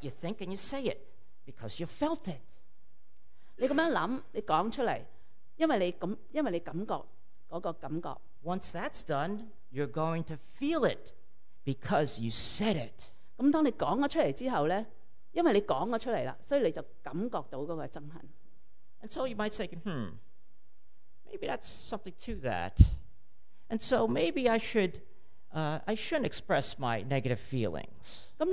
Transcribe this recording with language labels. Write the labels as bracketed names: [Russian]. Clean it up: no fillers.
[English] you think and you say it because you felt it. [Cantonese] 你咁樣諗，你講出嚟，因為你感覺嗰個感覺。 [English] Once that's done, you're going to feel it because you said it. [Cantonese] 咁當你講咗出嚟之後咧，因為你講咗出嚟啦，所以你就感覺到嗰個憎恨。 [English] And so you might say, maybe that's something to that. And so maybe I shouldn't express my negative feelings.